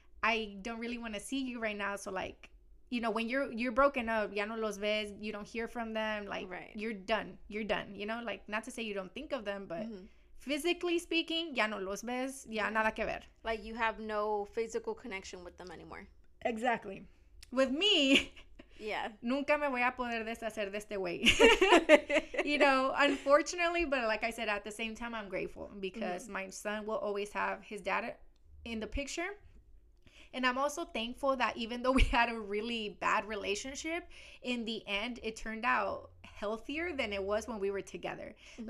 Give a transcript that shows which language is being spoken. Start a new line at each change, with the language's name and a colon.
English: I don't really want to see you right now. So, like, you know, when you're broken up,
Spanish: ya no los ves,
English: you don't hear from them. Like, right. you're done, you know, like, not to say you don't think of them, but mm-hmm. physically speaking,
Spanish: ya no los ves, ya
English: yeah.
Spanish: nada que ver.
English: Like, you have no physical connection with them anymore. Exactly. With me. Yeah.
Spanish: Nunca me voy a poder deshacer de este güey.
English: You know, unfortunately, but like I said, at the same time, I'm grateful because mm-hmm. my son will always have his dad in the picture. And I'm also thankful that even though we had a really bad relationship, in the end, it turned out healthier than it was when we were together. Mm-hmm.